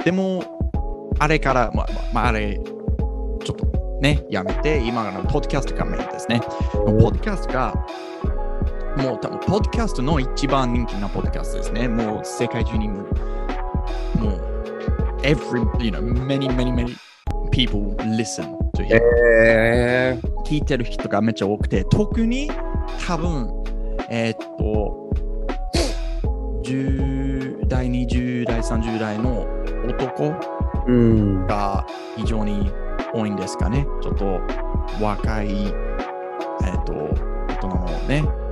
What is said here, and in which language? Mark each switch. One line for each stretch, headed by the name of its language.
Japanese: でも、あれから、あれ、ちょっとね、やめて、今のポッドキャストがメインですね。ポッドキャストが、もう多分、ポッドキャストの一番人気なポッドキャストですね。もう世界中にも。
English: もう、many, many, many people listen to him.
Japanese: 聞いてる人がめっちゃ多くて、特に多分、10代、20代、30代の男が非常に多いんですかね。ちょっと若い、大人のね、